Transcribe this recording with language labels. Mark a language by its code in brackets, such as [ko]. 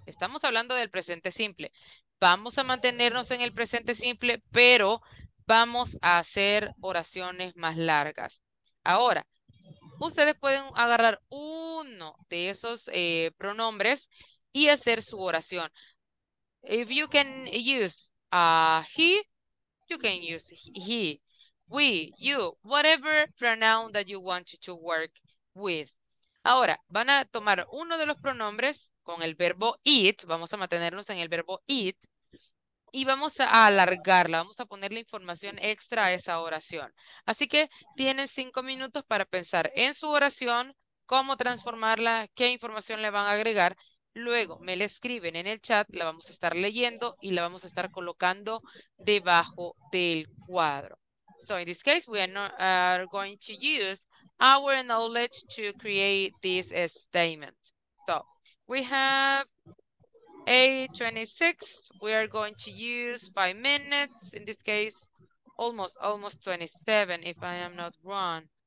[es] Estamos hablando del presente simple. Vamos a mantenernos en el presente simple, pero vamos a hacer oraciones más largas. Ahora, Ustedes pueden agarrar uno de esos pronombres y hacer su oración. [en] If you can use he, you can use he, we, you, whatever pronoun that you want to work with. [es] Ahora, van a tomar uno de los pronombres con el verbo it. Vamos a mantenernos en el verbo it. Y vamos a alargarla, vamos a ponerle información extra a esa oración. Así que tienen 5 minutos para pensar en su oración, cómo transformarla, qué información le van a agregar. Luego me la escriben en el chat, la vamos a estar leyendo y la vamos a estar colocando debajo del cuadro. [en] So in this case, we are going to use our knowledge to create this statement. So we have 8:26. We are going to use 5 minutes. In this case, almost 27, if I am not wrong.